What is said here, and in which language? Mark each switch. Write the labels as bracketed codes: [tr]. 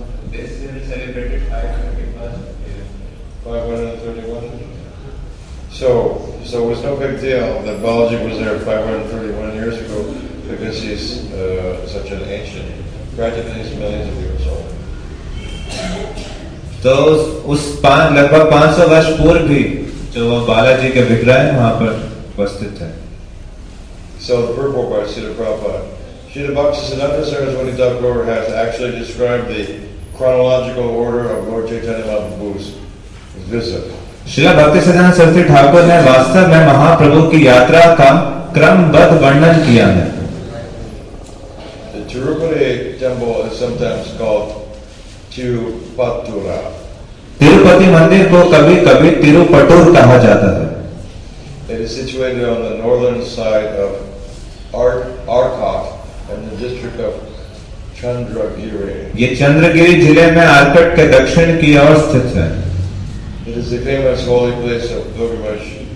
[en] This year is celebrated 531. So it was no big deal that Balaji was there 531 years ago because he's such an ancient, practically he's millions of years old. [hi] तो उस लगभग 500 वर्ष पूर्व भी जो बालाजी के विग्रह वहां पर उपस्थित है. [en] So the purport by Srila Prabhupada, Srila Bhakti Siddhanta Saraswati Thakura has actually described the chronological order of Lord Chaitanya Mahaprabhu's visit. [hi] Srila Bhakti Siddhanta Saraswati Thakura ने वास्तव में महाप्रभु की यात्रा का क्रमबद्ध वर्णन किया है. [en] The Tirupati temple is sometimes called [hi] Tirupati मंदिर को कभी कभी तिरुपटूर कहा जाता है. [en] It is situated on the northern side of Arcot in the district of Chandragiri. [hi] ये चंद्रगिरी जिले में आर्कट के दक्षिण की ओर स्थित है. [en] It is the famous holy place of Gilgamesh.